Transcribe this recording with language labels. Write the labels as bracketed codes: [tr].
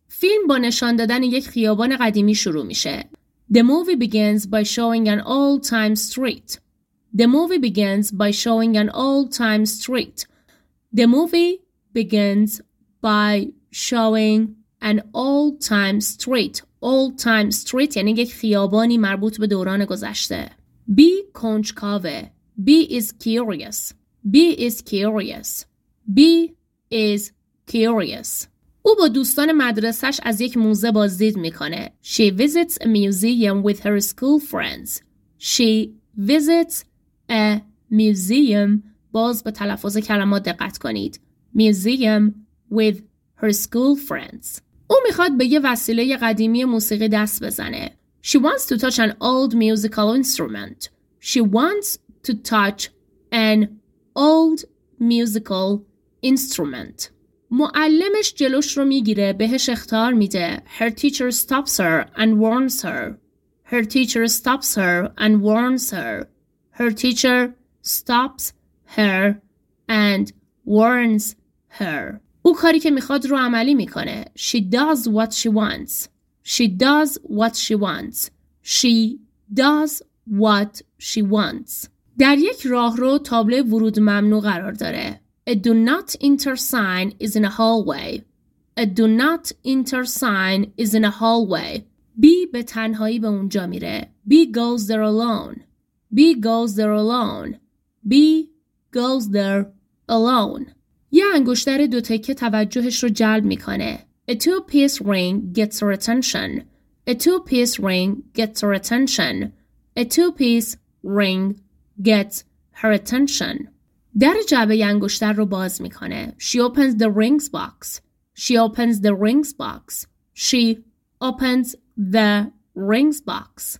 [fa] فیلم با نشان دادن یک خیابان قدیمی شروع میشه. [en] The movie begins by showing an old-time street. The movie begins by showing an old-time street. The movie begins by showing an old-time street. Old-time street [fa] یعنی یک خیابانی مربوط به دوران گذشته. [en] B [fa] کنجکاوه. [en] B is curious. B is curious. B is curious. [fa] او با دوستان مدرسه‌اش از یک موزه بازدید می‌کنه. [en] She visits a museum with her school friends. She visits a museum. [fa] باز به تلفظ کلمات دقت کنید. [en] Museum with her school friends. [fa] او می‌خواد به یه وسیله قدیمی موسیقی دست بزنه. [en] She wants to touch an old musical instrument. She wants to touch an old musical instrument. [fa] معلمش جلوش رو میگیره، بهش اختار میده. [en] Her teacher stops her and warns her. Her teacher stops her and warns her. Her teacher stops her and warns her. [fa] او کاری که میخواد رو عملی میکنه. [en] She does what she wants. She does what she wants. She does what she wants. [fa] در یک راهرو تابلو ورود ممنوع قرار داره. [en] A do not enter sign is in a hallway. A do not enter sign is in a hallway. [fa] B به تنهایی به اونجا میره. [en] B goes there alone. B goes there alone. B goes there alone. [fa] یه انگشتر دو تکه توجهش رو جلب میکنه. [en] A two-piece ring gets her attention. A two-piece ring gets her attention. A two-piece ring gets her attention. [fa] در جعبه انگشتر رو باز میکنه. [en] She opens the rings box. She opens the rings box. She opens the rings box.